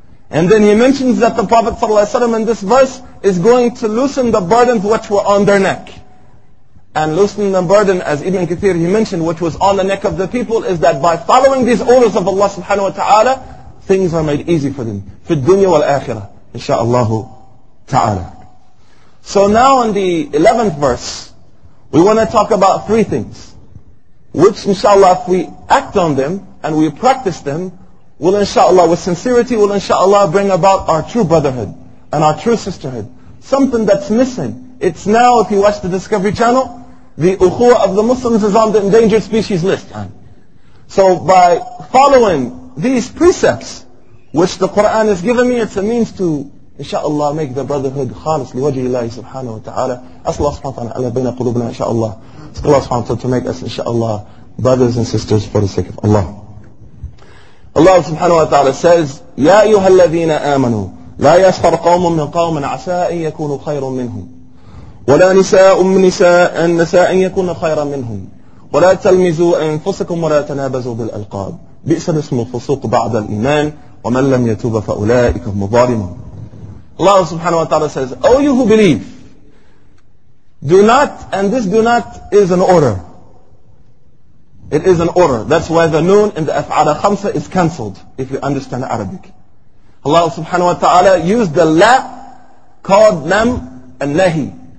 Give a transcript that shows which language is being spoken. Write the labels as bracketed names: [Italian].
[English] And then he mentions that the Prophet sallallahu alayhi wa sallam in this verse is going to loosen the burdens which were on their neck. And loosening the burden, as Ibn Kathir he mentioned, which was on the neck of the people, is that by following these orders of Allah subhanahu wa ta'ala, things are made easy for them. [Arabic] في الدنيا والآخرة, inshaAllah ta'ala. [English] So now in the 11th verse, we want to talk about 3 things, which inshaAllah if we act on them, and we practice them, will inshaAllah, with sincerity, will inshaAllah bring about our true brotherhood, and our true sisterhood, something that's missing. It's now, if you watch the Discovery Channel, the ukhuwa of the Muslims is on the endangered species list. So by following these precepts, which the Qur'an has given me, it's a means to, inshaAllah, make the brotherhood [Arabic] khalis liwajhillahi [English] subhanahu wa ta'ala. Ask Allah subhanahu wa ta'ala [Arabic] ala bayna qulubna, [English] inshaAllah. Ask Allah subhanahu wa ta'ala to make us, inshaAllah, brothers and sisters for the sake of Allah. [Arabic] Allah subhanahu wa ta'ala says, يَا أَيُّهَا الَّذِينَ آمَنُوا لَا يَسْخَرْ قَوْمٌ مِّنْ قَوْمٍ عَسَىٰ أَنْ يَكُونُوا خَيْرٌ مِّنْهُمْ وَلَا نِسَاءٌ مِّنْ نِسَاءٍ عَسَىٰ أَنْ يَكُونَ خَيْرًا مِّنْهُمْ وَلَا تَلْمِزُوا أَنفُسَكُمْ وَلَا تَنَابَزُوا بِالْأَلْقَابِ بِئْسَ الِاسْمُ الْفُسُوقُ بَعْدَ الْإِيمَانِ وَمَن لَّمْ يَتُبْ فَأُولَٰئِكَ هُمُ الظَّالِمُونَ. [English] Allah subhanahu wa ta'ala says, O you who believe, do not, and this do not is an order. It is an order. That's why the noon in the af'ala khamsa is cancelled, if you understand Arabic. Allah subhanahu wa ta'ala used the la called lam and nahi.